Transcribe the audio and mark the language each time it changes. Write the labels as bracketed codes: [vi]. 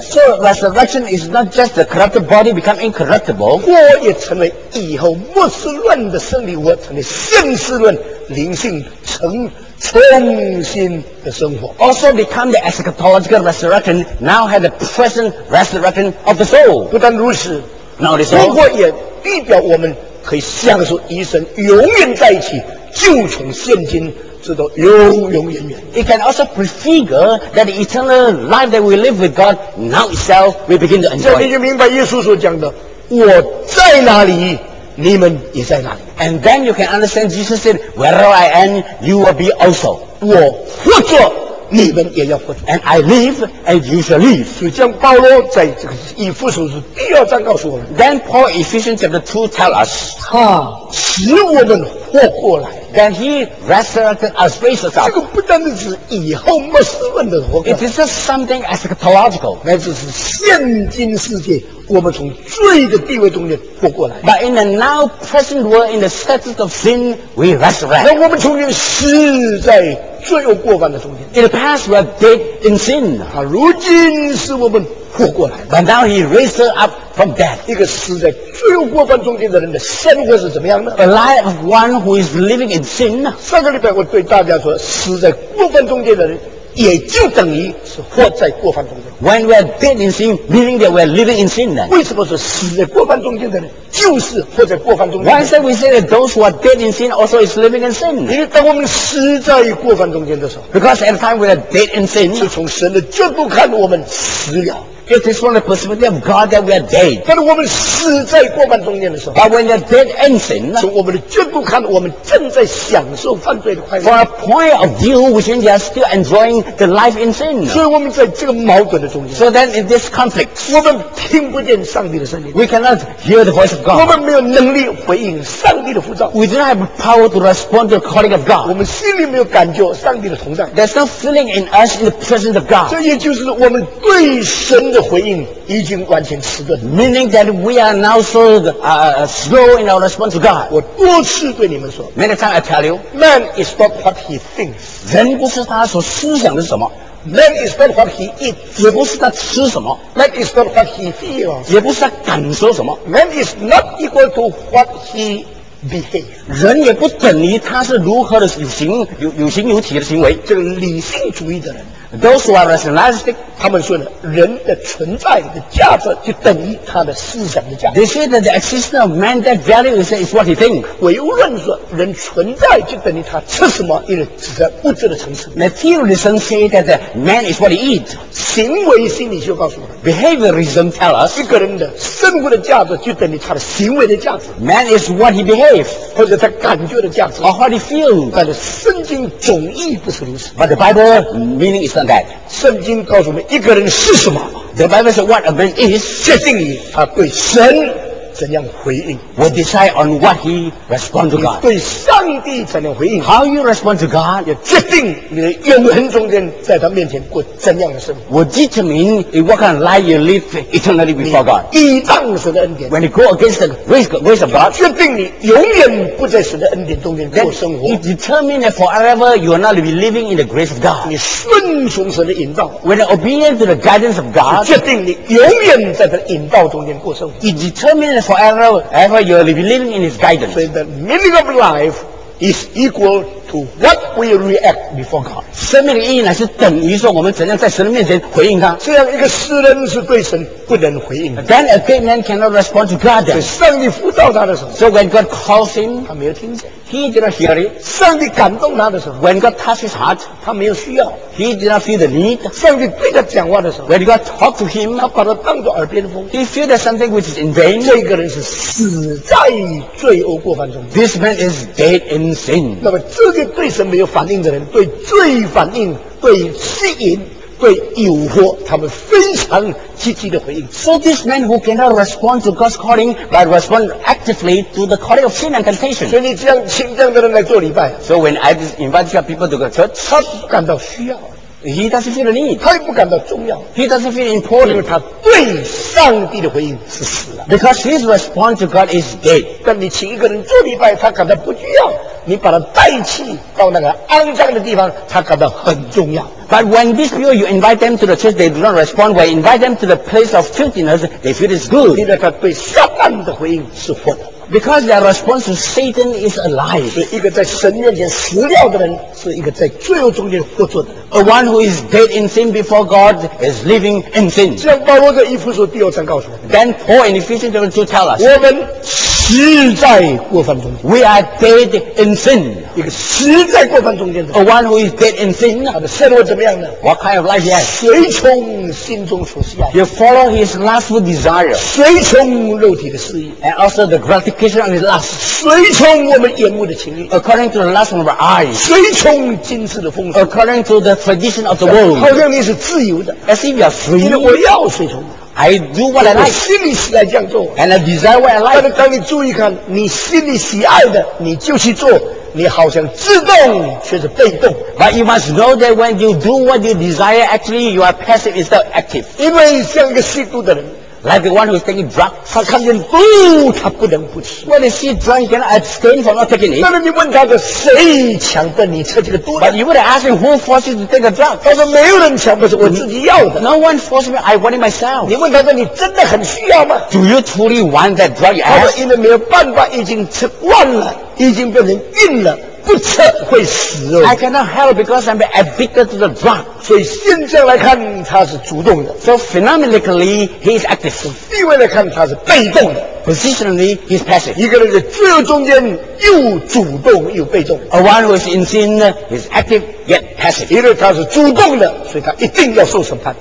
[en] So resurrection is not just the corrupted body become incorruptible [zh] 我也成为以后末世论的生理我成为现世论灵性成重新的生活 [en] Also become the eschatological resurrection Now have the present resurrection of the soul [zh] 不但如此 [en] Not this all [zh] 复活也代表我们可以享受与神永远在一起就从现今直到永永远远 [en] It can also prefigure that the eternal life that we live with God Now itself we begin to enjoy [zh] 这你就明白耶稣所讲的我在哪里你们也在那里 [en] And then you can understand Jesus said Wherever I am, you will be also [zh] 我活着你们也要活着 [en] And I live, and you shall live [zh] 所以像保罗在这个以弗所书第二章告诉我们 [en] Then Paul Ephesians chapter 2 tell us [zh] 他使我们活过来 [en] Then he resurrected us, raised us up [zh] 这个不单单是以后末世论的活过来 [en] It is just something eschatological [zh] 那就是现今世界我们从罪的地位中间活过来 [en] But in the now present world in the status of sin we resurrect [zh] 那我们从前死在罪恶过犯的中间 [en] In the past we are dead in sin [zh] 如今是我们活过来 [en] But now he raised her up from death [zh] 一个死在罪恶过犯中间的人的生活是怎么样的 [en] A life of one who is living in sin [zh] 上个礼拜我对大家说死在过犯中间的人也就等于是活在过犯中间 [en] When we are dead in sin, meaning that we are living in sin [zh] 为什么是死在过犯中间的人就是活在过犯中间 [en] Why is that we say that those who are dead in sin also is living in sin [zh] 因为当我们死在过犯中间的时候 [en] Because at the time we are dead in sin [zh] 是从神的角度看我们死了 [en] It is from the perspective of God that we are dead [zh] 但是我们死在过犯中间的时候 [en] But when we are dead in sin [zh] 从我们的角度看我们正在享受犯罪的快乐 [en] From a point of view which means we are still enjoying the life in sin [zh] 所以我们在这个矛盾的中间 [en] So then in this conflict [zh] 我们听不见上帝的声音 [en] We cannot hear the voice of God [zh] 我们没有能力回应上帝的呼召 [en] We do not have the power to respond to the calling of God [zh] 我们心里没有感觉上帝的同在 [en] There's no feeling in us in the presence of God [zh] 这也就是我们对神的回应已经完全迟钝 [en] Meaning that we are now so slow in our response to God [zh] 我多次对你们说 [en] Many times I tell you Man is not what he thinks [zh] 人不是他所思想的什么 [en] Man is not what he eats [zh] 也不是他吃什么 [en] Man is not what he feels [zh] 也不是他感受什么 [en] Man is not equal to what he behaves [zh] 人也不等于他是如何的有形有体的行为这个理性主义的人 [en] Those who are rationalistic [zh] 他们说的人的存在的价值就等于他的思想的价值 [en] They say that the existence of man that value is what he thinks [zh] 我又认识人存在就等于他吃什么因为只在物质的层次 [en] Materialism say that the man is what he eats [zh] 行为心理学告诉我 [en] Behaviorism tell us [zh] 一个人的生活的价值就等于他的行为的价值 [en] Man is what he behaves [zh] 或者他感觉的价值 [en] Or what he feels [zh] 但是圣经总义不是如此 [en] But the Bible meaning is not that [zh] 圣经告诉我们一个人是什么 [en] The Bible says what a man is [zh] 决定于他对神怎样回应 [en] Will decide on what he responds to God [zh] 对上帝怎样回应 [en] How you respond to God [zh] 也决定你的永恒中间在他面前过怎样的生活 [en] Will determine what kind of life you live eternally before God [zh] 你依仗神的恩典 [en] When you go against the grace of God [zh] 决定你永远不在神的恩典中间过生活 [en] It determines that forever you are not living in the grace of God [zh] 你顺从神的引导 [en] When you're obedient to the guidance of God [zh] 决定你永远在他的引导中间过生活 [en] It determines forever you are living in his guidance so the meaning of life is equal to what we react before God [zh] 生命的意义呢是等于说我们怎样在神的面前回应他这样一个世人是对神不能回应 [en] then a dead man cannot respond to God [zh] 所以上帝呼召他的时候 [en] so when God calls him [zh] 他没有听见 [en] he did not hear it [zh] 上帝感动他的时候 [en] when God touched his heart [zh] 他没有需要 [en] he did not feel the need [zh] 上帝对他讲话的时候 [en] when God talked to him [zh] 他把他当作耳边风 [en] he feels that something which is in vain [zh] 这个人是死在罪恶过犯中 [en] this man is dead in sin [zh] 那么这个对神没有反应的人对罪反应对吸引对诱惑他们非常积极的回应 [en] So this man who cannot respond to God's calling but respond actively to the calling of sin and temptation [zh] 所以你这样请这样的人来做礼拜 [en] So when I invite people to go to church [zh] 他感到需要 [en] He doesn't feel the need. [zh] 他也不感到重要。 [en] He doesn't feel important. [zh] 因为他对上帝的回应是死了。 [en] Because his response to God is dead. [zh] 但你请一个人做礼拜，他感到不需要。你把他带去到那个肮脏的地方，他感到很重要。 [en] But when these people you invite them to the church, they do not respond. When you invite them to the place of filthiness, they feel it's good. [zh] 因为他对撒旦的回应是错的。 [en] Because their response to Satan is a lie. [zh] 是一个在神面前死掉的人，是一个在罪恶中间活着的。 [en] A one who is dead in sin before God is living in sin. [zh] 像保罗在以弗所第二章告诉我们。 [en] Then Paul in Ephesians 2 to tell us. [zh] 我们死在过犯中间。 [en] We are dead in sin. [zh] 一个死在过犯中间的。 [en] A one who is dead in sin. [zh] 他的生活怎么样呢？ [en] What kind of life he has? [zh] 随从心中所喜爱。 [en] You follow his lustful desire. [zh] 随从肉体的私欲。 [en] And also the gratification. [zh] 随从我们眼目的情欲 [en] ，according to the lust of our eyes， [zh] 随从今世的风俗 [en] ，according to the tradition of the world， [zh] 好像你是自由的 [en] ，as if you are free， [zh] 因为我要随从 [en] ，I do what I like， [zh] 心里喜爱这样做 [en] ，and I desire what I like。 [zh] 但是当你注意看，你心里喜爱的，你就去做。你好像自动却是被动 [en] ，But you must know that when you do what you desire， actually you are passive instead of active。 [zh] 因为像一个吸毒的人。 [en] Like the one who is taking drugs, [zh] 他看见毒，他不能不吃。 [en] When he sees drugs, he cannot abstain from not taking it. [zh] 那么你问他的谁强迫你吃这个毒 [en] ？But you would ask him who forced you to take a drug. [zh] 他说没有人强迫，是我自己要的。 [en] No one forced me, I want it myself. [zh] 你问他说你真的很需要吗 [en] ？Do you truly want that drug? [zh] 他说因为没有办法，已经吃惯了，已经变成瘾了。不吃会死哦。 [en] I cannot help because I'm addicted to the drug. [zh] 所以现象来看他是主动的。 [en] So phenomenally, he is active. [zh] 从地位来看他是被动的。 [en] Positionally, he is passive. [zh] 一个人在罪恶中间又主动又被动。 [en] A one who is in sin, he is active yet passive. [zh] 因为他是主动的所以他一定要受审判。